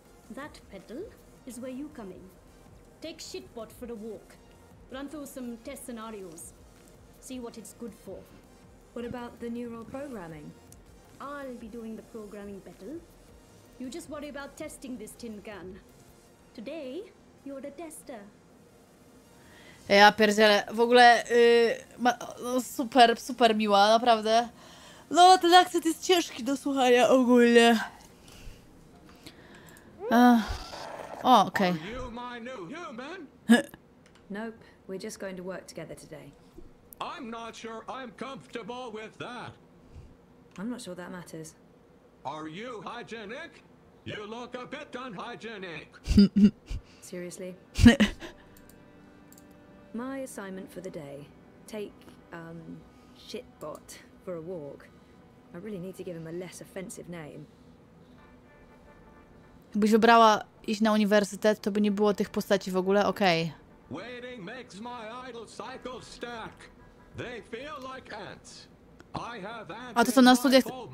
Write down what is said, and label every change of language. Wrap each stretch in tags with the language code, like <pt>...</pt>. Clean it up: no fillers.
<en>That, Petal, is where you come in. Take Shitbot for a walk. Run through some test scenarios. See what it's good for. What about the neural programming? I'll be doing the programming, Petal. You just worry about testing this tin can. Today, you're the tester.</en> <pl>Ja pierdzielę, w ogóle ma, no super, super miła, naprawdę. No, ten akcent jest ciężki do słuchania ogólnie. O, okej.</pl> <en>Okay. Nope, we're just going to work together today. I'm not sure I'm comfortable with that. I'm not sure that matters. Are you hygienic? You look a bit unhygienic. Seriously? My assignment for the day. Take, Shitbot for a walk. I really need to give him a less offensive name.</en> <pl>Gdybyś wybrała iść na uniwersytet, to by nie było tych postaci w ogóle, okej.</pl> <en>Okay. Waiting makes my idle cycle stack. They feel like ants. I have ants.</en> <pl>A to co na studiach?</pl>